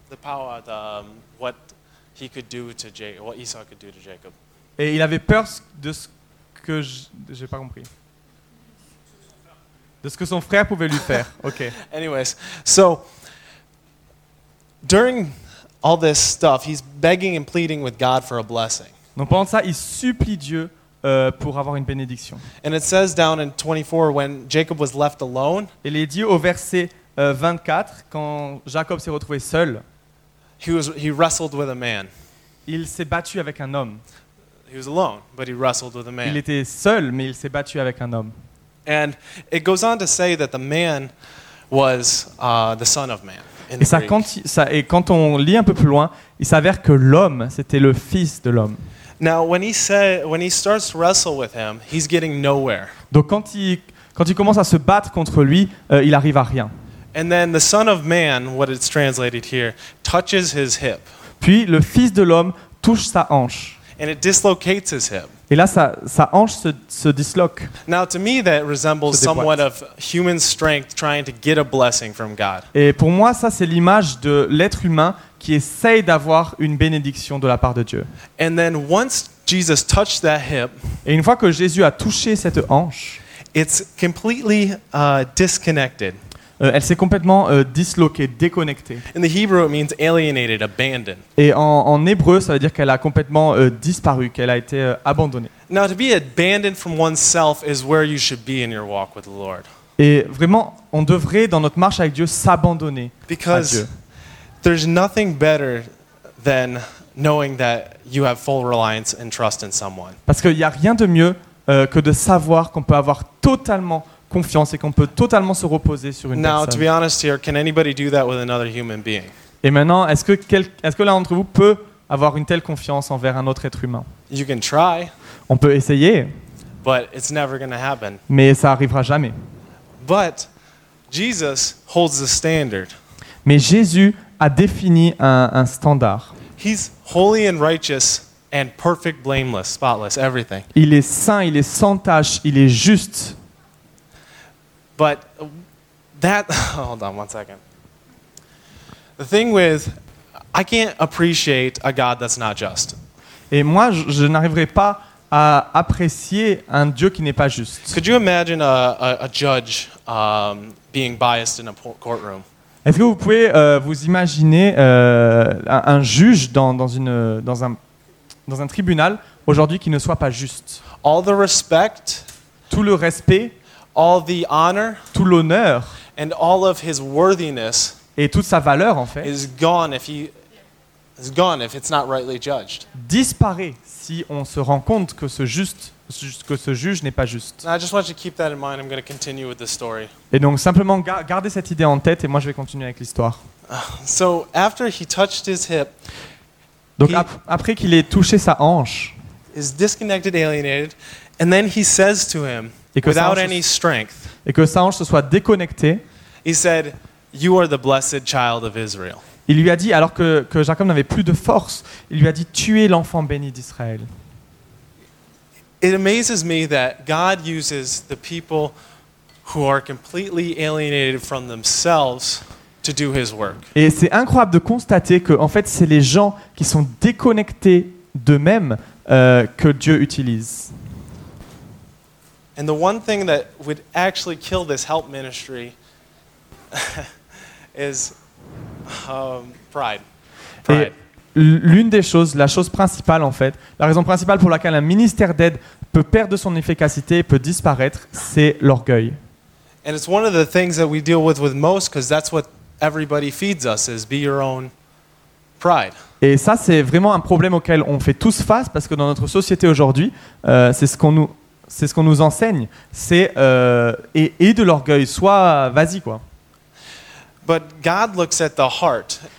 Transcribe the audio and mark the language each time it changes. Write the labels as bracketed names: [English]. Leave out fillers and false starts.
[English] The power of what he could do to Jacob, what Esau could do to Jacob. [French] Et il avait peur de ce que j'ai pas compris. De ce que son frère pouvait lui faire. [English] Okay. Anyways, so during all this stuff, he's begging and pleading with God for a blessing. [French] Donc pendant ça, il supplie Dieu pour avoir une bénédiction. [English] And it says down in 24 when Jacob was left alone. [French] Et il est dit au verset 24 quand Jacob s'est retrouvé seul. [English] He wrestled with a man. [French] Il s'est battu avec un homme. [English] He was alone, but he wrestled with a man. [French] Il était seul, mais il s'est battu avec un homme. [English] And it goes on to say that the man was the son of man. [French] Et quand on lit un peu plus loin, il s'avère que l'homme, c'était le fils de l'homme. [English] Now, when he starts to wrestle with him, he's getting nowhere. [French] Donc quand il commence à se battre contre lui, il arrive à rien. [English] And then the son of man, what it's translated here, touches his hip. [French] Puis le fils de l'homme touche sa hanche. [English] And it dislocates his hip. [French] Et là, sa hanche se disloque. [English] Now, to me, that resembles somewhat of human strength trying to get a blessing from God. [French] Et pour moi, ça, c'est l'image de l'être humain qui essaye d'avoir une bénédiction de la part de Dieu. [English] And then once Jesus touched that hip, [French] et une fois que Jésus a touché cette hanche, [English] it's completely disconnected. [French] Elle s'est complètement disloquée, déconnectée. [English] In the Hebrew, it means alienated, abandoned. [French] Et en hébreu, ça veut dire qu'elle a complètement disparu, qu'elle a été abandonnée. [English] Now, to be abandoned from oneself is where you should be in your walk with the Lord. [French] Et vraiment, on devrait dans notre marche avec Dieu s'abandonner à Dieu. [English] Because there's nothing better than knowing that you have full reliance and trust in someone. [French] Parce qu'il n'y a rien de mieux que de savoir qu'on peut avoir totalement confiance et qu'on peut totalement se reposer sur une [English] Now, [French] personne. [English] To be honest here, can anybody do that with another human being? [French] Et maintenant, est-ce que l'un d'entre vous peut avoir une telle confiance envers un autre être humain? [English] You can try. [French] On peut essayer. [English] But it's never going to happen. [French] Mais ça arrivera jamais. [English] But Jesus holds the standard. [French] Mais Jésus a défini un standard. [English] He's holy and righteous and perfect, blameless, spotless, everything. [French] Il est saint, il est sans tache, il est juste. [English] But that, hold on one second. The thing with, I can't appreciate a God that's not just. [French] Et moi, je n'arriverai pas à apprécier un Dieu qui n'est pas juste. [English] Could you imagine a judge being biased in a courtroom? [French] Est-ce que vous pouvez vous imaginer un juge dans un tribunal aujourd'hui qui ne soit pas juste? [English] All the respect. [French] Tout le respect. [English] All the honor, [French] tout l'honneur, [English] and all of his worthiness, [French] et toute sa valeur en fait, [English] is gone if it's not rightly judged. [French] Disparaît si on se rend compte que ce juge n'est pas juste. [English] And I just want you to keep that in mind. I'm going to continue with the story. [French] Et donc simplement garder cette idée en tête, et moi je vais continuer avec l'histoire. [English] So after he touched his hip, [French] donc après qu'il ait touché sa hanche, [English] is disconnected, alienated, and then he says to him. Without any strength. [French] Et que sa hanche se soit déconnectée. [English] He said, "You are the blessed child of Israel." [French] Il lui a dit, alors que Jacob n'avait plus de force, il lui a dit, "Tu es l'enfant béni d'Israël." [English] It amazes me that God uses the people who are completely alienated from themselves to do His work. [French] Et c'est incroyable de constater que, en fait, c'est les gens qui sont déconnectés d'eux-mêmes que Dieu utilise. [English] And the one thing that would actually kill this help ministry is pride. [French] Et, l'une des choses, la chose principale en fait, la raison principale pour laquelle un ministère d'aide peut perdre son efficacité et peut disparaître, c'est l'orgueil. [English] And it's one of the things that we deal with most because that's what everybody feeds us is be your own pride. [French] Et ça, c'est vraiment un problème auquel on fait tous face parce que dans notre société aujourd'hui, c'est ce qu'on nous enseigne, c'est et de l'orgueil, soit vas-y quoi. [English] But God looks at the heart.